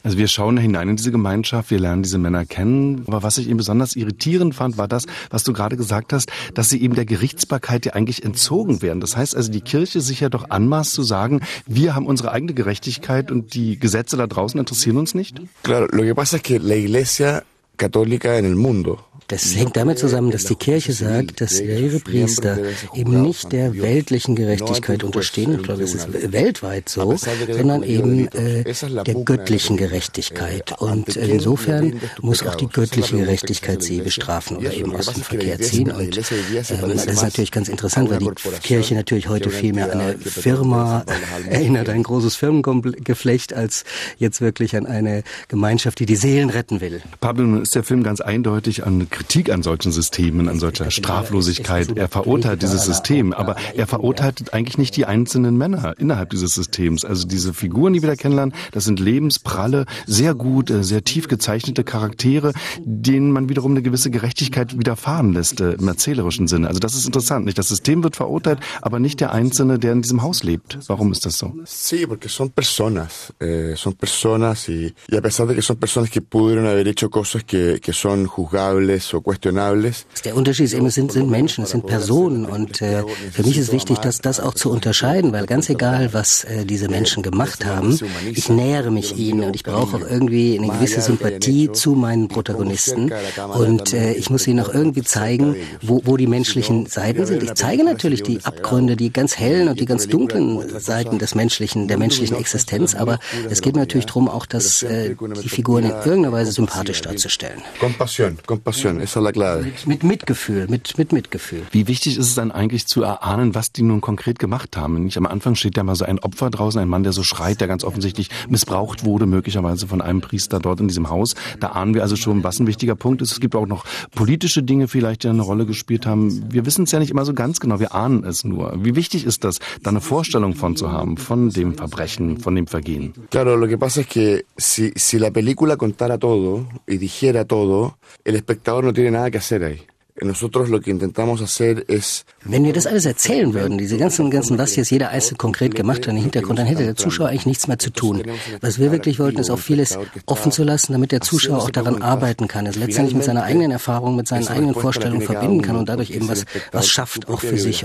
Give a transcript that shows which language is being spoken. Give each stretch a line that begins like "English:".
German: Also wir schauen hinein in diese Gemeinschaft, wir lernen diese Männer kennen, aber was ich eben besonders irritierend fand, war das, was du gerade gesagt hast, dass sie eben der Gerichtsbarkeit ja eigentlich entzogen werden. Das heißt also, die Kirche sich ja doch anmaßt zu sagen, wir haben unsere eigene Gerechtigkeit und die Gesetze da draußen interessieren uns nicht?
Spanish: Claro, lo que pasa es que la Iglesia Católica en el mundo.
German: Das hängt damit zusammen, dass die Kirche sagt, dass ihre Priester eben nicht der weltlichen Gerechtigkeit unterstehen, ich glaube, das ist weltweit so, sondern eben der göttlichen Gerechtigkeit. Und insofern muss auch die göttliche Gerechtigkeit sie bestrafen oder eben aus dem Verkehr ziehen. Und das ist natürlich ganz interessant, weil die Kirche natürlich heute viel mehr an eine Firma erinnert, ein großes Firmengeflecht, als jetzt wirklich an eine Gemeinschaft, die die Seelen retten will. Pablo, nun ist der Film ganz eindeutig an Kritik an solchen Systemen, an solcher Straflosigkeit. Er verurteilt dieses System, aber er verurteilt eigentlich nicht die einzelnen Männer innerhalb dieses Systems. Also diese Figuren, die wir da kennenlernen, das sind lebenspralle, sehr gut, sehr tief gezeichnete Charaktere, denen man wiederum eine gewisse Gerechtigkeit widerfahren lässt, im erzählerischen Sinne. Also das ist interessant, nicht? Das System wird verurteilt, aber nicht der Einzelne, der in diesem Haus lebt. Warum ist das so?
Spanish: Sí, porque son personas y a pesar de que son personas que pudieron haber hecho cosas que son juzgables.
German: Der Unterschied ist eben, es sind Menschen, es sind Personen und für mich ist wichtig, dass das auch zu unterscheiden, weil ganz egal, was diese Menschen gemacht haben, ich nähere mich ihnen und ich brauche auch irgendwie eine gewisse Sympathie zu meinen Protagonisten und ich muss ihnen auch irgendwie zeigen, wo die menschlichen Seiten sind. Ich zeige natürlich die Abgründe, die ganz hellen und die ganz dunklen Seiten der menschlichen Existenz, aber es geht mir natürlich darum, auch dass die Figuren in irgendeiner Weise sympathisch darzustellen.
Spanish: Compassion, esa es la clave.
German: Mit Mitgefühl. Wie wichtig ist es dann eigentlich zu erahnen, was die nun konkret gemacht haben? Nicht am Anfang steht ja mal so ein Opfer draußen, ein Mann, der so schreit, der ganz offensichtlich missbraucht wurde, möglicherweise von einem Priester dort in diesem Haus. Da ahnen wir also schon, was ein wichtiger Punkt ist. Es gibt auch noch politische Dinge vielleicht, die eine Rolle gespielt haben. Wir wissen es ja nicht immer so ganz genau, wir ahnen es nur. Wie wichtig ist das, da eine Vorstellung von zu haben, von dem Verbrechen, von dem Vergehen?
Spanish: Claro, lo que pasa es que si la película contara todo y dijera todo, el espectador no tiene nada que hacer ahí.
German: Wenn wir das alles erzählen würden, diese ganzen, was jetzt jeder Eis konkret gemacht hat im Hintergrund, dann hätte der Zuschauer eigentlich nichts mehr zu tun. Was wir wirklich wollten, ist auch vieles offen zu lassen, damit der Zuschauer auch daran arbeiten kann, es letztendlich mit seiner eigenen Erfahrung, mit seinen eigenen Vorstellungen verbinden kann und dadurch eben was schafft, auch für sich.